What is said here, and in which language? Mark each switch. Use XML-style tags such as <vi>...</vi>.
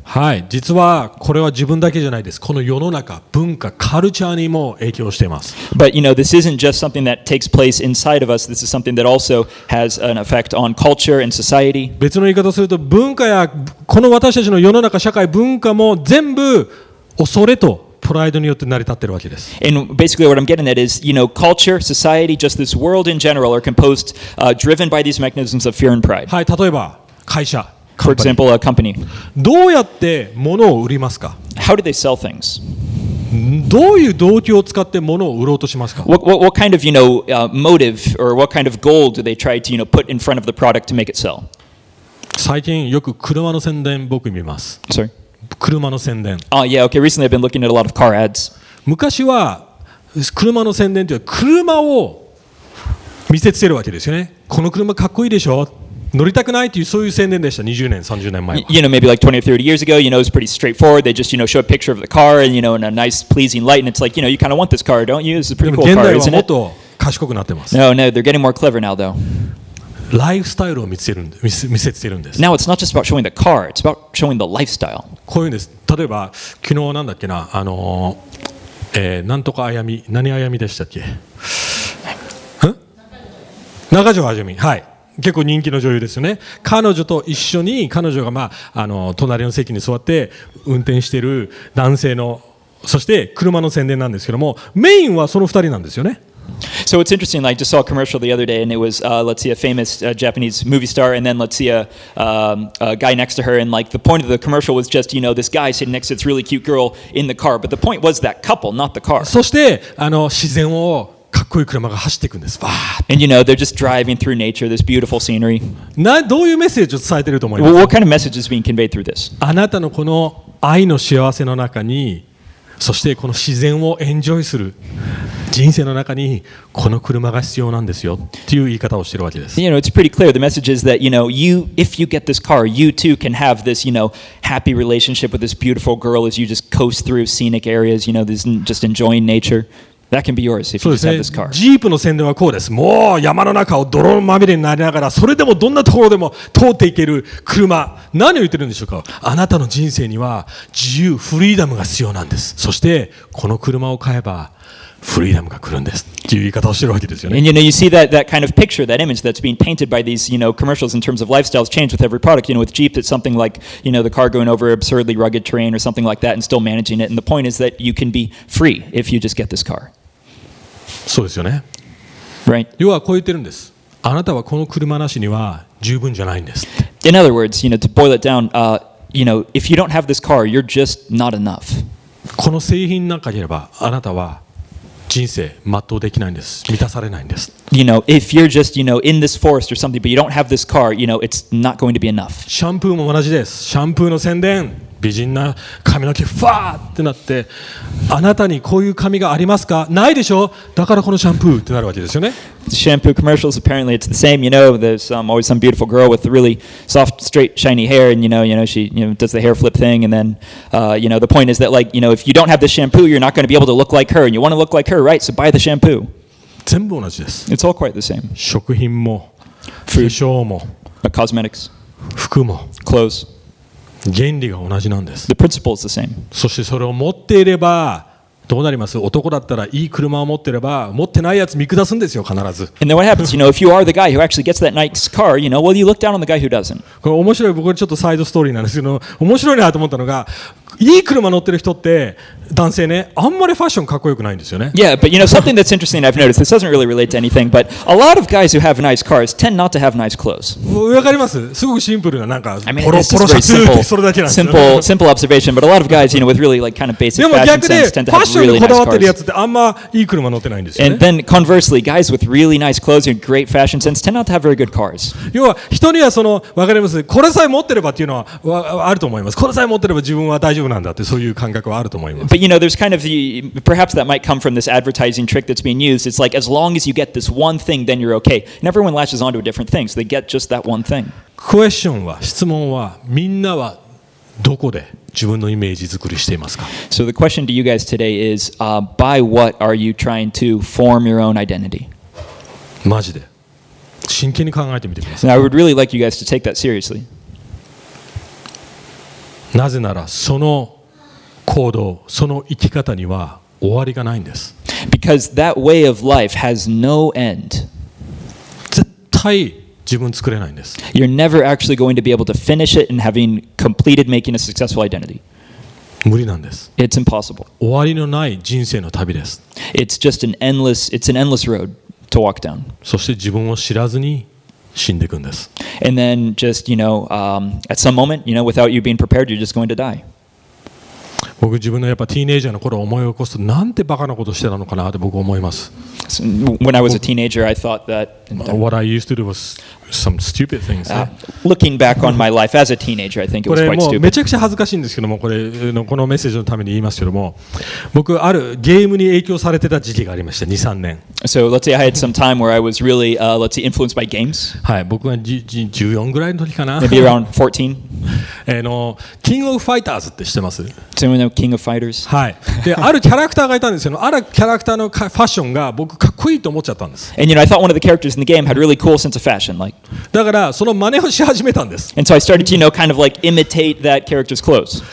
<ja>はい。実はこれは自分だけじゃないです。この世の中、文化、カルチャーにも影響しています。</ja> <en>But, you know, this isn't just something that takes place inside of us. This is something that also has an effect on culture and society.</en> <ja>別の言い方をすると、文化やこの私たちの世の中、社会、文化も全部恐れとプライドによって成り立っているわけです。</ja> <en>And basically what I'm getting at is, you know, culture, society, just this world in general are composed, driven by these mechanisms of fear and pride.</en> <ja>はい、例えば会社。</ja> <en>For example, a company.</en> <ja>どうやって物を売りますか?</ja> <en>How do they sell things?</en> <ja>どういう動機を使って物を売ろうとしますか?</ja> <en>What kind of, you know, motive or what kind of goal do they try to, you know, put in front of the product to make it sell?</en> <ja>最近よく車の宣伝僕見ます。</ja> <en>Sorry?</en> <ja>車の宣伝。</ja> <en>Oh, yeah, okay. Recently I've been looking at a lot of car ads.</en> <ja>昔は車の宣伝というのは車を見せつけるわけですよね。この車かっこいいでしょ?乗りたくないというそういう宣伝でした。 20年、30年前は。</ja> <en>You know, maybe like 20 or 30 years ago, you know, it was pretty straightforward. They just, you know, show a picture of the car and, you know, in a nice pleasing light. And it's like, you know, you kind of want this car, don't you? This is a pretty cool car, isn't it?</en> <ja>でも現代はもっと賢くなってます。</ja> <en>No, they're getting more clever now, though.</en> <ja>ライフスタイルを見せつけるんです。</ja> <en>Now it's not just about showing the car, it's about showing the lifestyle.</en> <ja>こういうんです。例えば昨日なんだっけな、なんとかあやみ、何あやみでしたっけ？中条あやみ、はい。結構人気の女優ですよね。彼女と一緒に彼女がまあ隣の席に座って運転してる男性のそして車の宣伝なんですけども、メインはその二人なんですよね。</ja> <en>So it's interesting. I just saw a commercial the other day, and it was let's see a famous Japanese movie star, and then let's see a guy next to her. And like the point of the commercial was just you know this guy sitting next to this really cute girl in the car, but the point was that couple, not the car.</en> <ja>そして自然をかっこいい車が走っていくんです。わー。</ja> <en>And you know they're just driving through nature, this beautiful scenery.</en> <ja>どういうメッセージを伝えてると思いますか?</ja> <en>What kind of message is being conveyed through this?</en> <ja>あなたのこの愛の幸せの中に。そしてこの自然をエンジョイする人生の中にこの車が必要なんですよっていう言い方をしているわけです。</ja> <en>You know, it's pretty clear. The message is that, you know, you, if you get this car, you too can have this, you know, happy relationship with this beautiful girl as you just coast through scenic areas, you know, just enjoying nature. That can be yours if you just have this car.</en> <ja>ジープの宣伝はこうです。もう山の中を泥まみれになりながら、それでもどんなところでも通っていける車。何を言ってるんでしょうか。あなたの人生には自由、フリーダムが必要なんです。そしてこの車を買えば。 Freedom が来るんですっていう言い方をしてるわけですよね。</ja> <en>And you know, you see that kind of picture, that image that's being painted by these, you know, commercials in terms of lifestyles change with every product. You know, with Jeep, it's something like, you know, the car going over absurdly rugged terrain or something like that and still managing it. And the point is that you can be free if you just get this car.</en> <ja>そうですよね。</ja> <en>Right.</en> <ja>要はこう言ってるんです。あなたはこの車なしには十分じゃないんです。</ja> <en>In other words, you know, to boil it down, you know, if you don't have this car, you're just not enough.</en> <ja>この製品なければあなたは人生全うできないんです。満たされないんです。</ja> <en>You know, if you're just, you know, in this forest or something, but you don't have this car, you know, it's not going to be enough.</en> <ja>シャンプーも同じです。シャンプーの宣伝、美人な髪の毛ファーってなって、あなたにこういう髪がありますか？ないでしょ？だからこのシャンプーってなるわけですよね。</ja> <en>Shampoo commercials, apparently it's the same. You know, there's always some beautiful girl with really soft, straight, shiny hair, and you know, she you know, does the hair flip thing, and then, you know, the point is that, like, you know, if you don't have the shampoo, you're not going to be able to look like her, and you want to look like her, right? So buy the shampoo.</en> <ja>全部同じです。</ja> <en>It's all quite the same.</en> <ja>食品も、化粧も、</ja> <en>cosmetics、</en> <ja>服も、</ja> <en>clothes。</en> <ja>原理が同じなんです。</ja> <en>The principle is the same.</en> <ja>そしてそれを持っていれば。どうなります？男だったらいい車を持ってれば、持ってないやつ見下すんですよ、必ず。</ja> <en>And then what happens, you know, if you are the guy who actually gets that nice car, you know, well, you look down on the guy who doesn't.</en> <ja>これ面白い、僕はちょっとサイドストーリーなんですけど、面白いなと思ったのが、いい車乗ってる人って、男性ね、あんまりファッションかっこよくないんですよね。</ja> <en>Yeah, but you know, something that's interesting I've noticed, this doesn't really relate to anything, but a lot of guys who have nice cars tend not to have nice clothes.</en> <ja>わかります？すごくシンプルな、なんか、ポロポロシャツってそれだけなんですよ。</ja> <en>Simple observation, but a lot of guys, you know, with really, like, kind of basic fashion sense tend to have really nice cars.</en> <ja>こだわってるやつってあんまいい車乗ってないんですよね。</ja> <en>And then, conversely, guys with really nice clothes and great fashion sense tend not to have very good cars.</en> <ja>要は、人にはその、わかります？これさえ持ってればっていうのはあると思います。これさえ持ってれば自分は大丈夫なんだってそういう感覚はあると思います。</ja> <en>But you know, there's kind of perhaps that might come from this advertising trick that's being used. It's like, as long as you get this one thing, then you're okay. And everyone latches onto a different thing, so they get just that one thing.</en> <ja>Question は、質問は、みんなはどこで自分のイメージ作りしていますか？</ja> <en>So the question to you guys today is, by what are you trying to form your own identity?</en> <ja>マジで。真剣に考えてみてください。</ja> <en>And I would really like you guys to take that seriously.</en> <ja>なぜなら、その行動、その生き方には終わりがないんです。</ja> <en>Because that way of life has no end.</en> <ja>絶対自分作れないんです。</ja> <en>You're never actually going to be able to finish it and having completed making a successful identity.</en> <ja>無理なんです。</ja> <en>It's impossible.</en> <ja>終わりのない人生の旅です。</ja> <en>It's just an endless road to walk down.</en> <ja>そして自分を知らずに死んでいくんです。</ja> <en>And then just, you know, at some moment, you know, without you being prepared, you're just going to die.</en> <ja>僕自分のやっぱティーネイジャーの頃思い起こすとなんてバカなことしてたのかなって僕思います。</ja> <en>When I was a teenager, I thought that what I used to do was some stupid things. Looking back on my life as a teenager, I think it was quite stupid.</en> <ja>これもうめちゃくちゃ恥ずかしいんですけども、これのこのメッセージのために言いますけども、僕あるゲームに影響されてた時期がありました。 2、3年。</ja> <en>So let's say I had some time where I was really, let's say, influenced by games.</en> <ja>はい、僕は14ぐらいの時かな。</ja> <en>Maybe around 14.</en> <ja>King of Fighters って知ってます？</ja> <en>Do you know King of Fighters?</en> <ja>はい。で、あるキャラクターがいたんですよ。あるキャラクターのファッションが僕かっこいいと思っちゃったんです。</ja> <en>And you know, I thought one of the characters in the game had really cool sense of fashion, like.</en> <ja>だからその真似をし始めたんです。</ja> <en>And so I started to, you know, kind of like imitate that character's clothes.</en>